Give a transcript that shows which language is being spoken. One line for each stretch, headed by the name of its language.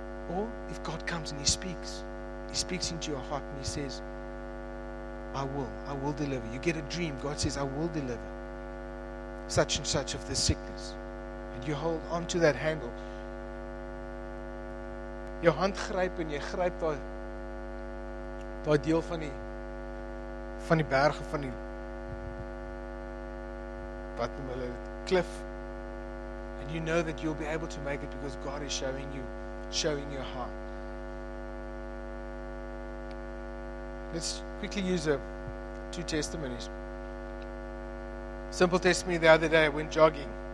English: Or if God comes and He speaks into your heart and He says, I will deliver. You get a dream, God says, I will deliver such and such of this sickness. And you hold on to that handle.
Afrikaans: Jou hand gryp en jy gryp daai deel van die berge van die wat noem hulle klif.
English: And you know that you'll be able to make it because God is showing your heart. Let's quickly use two testimonies. Simple testimony the other day, I went jogging.